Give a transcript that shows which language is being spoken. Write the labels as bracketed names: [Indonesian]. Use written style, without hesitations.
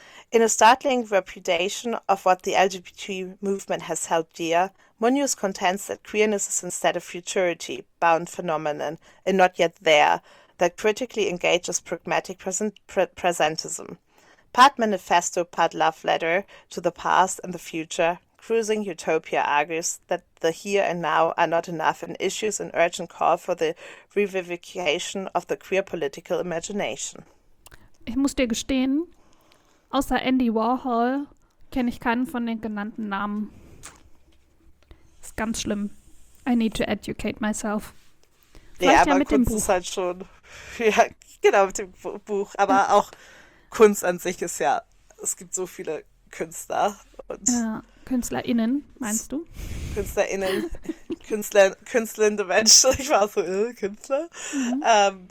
[English] In a startling repudiation of what the LGBT movement has held dear, Muñoz contends that queerness is instead a futurity-bound phenomenon and not yet there, that critically engages pragmatic presentism. Part manifesto, part love letter to the past and the future, Cruising Utopia argues that the here and now are not enough and issues an urgent call for the revivification of the queer political imagination. [German] Ich muss dir gestehen, außer Andy Warhol kenne ich keinen von den genannten Namen. Ist ganz schlimm. [English] I need to educate myself. [German] Vielleicht ja, aber mit Kunst dem ist halt schon, ja, genau, mit dem Buch, aber auch Kunst an sich ist ja, es gibt so viele Künstler. Und ja, KünstlerInnen, meinst du? KünstlerInnen, Künstler, künstlende Menschen, ich war so, Künstler, mhm.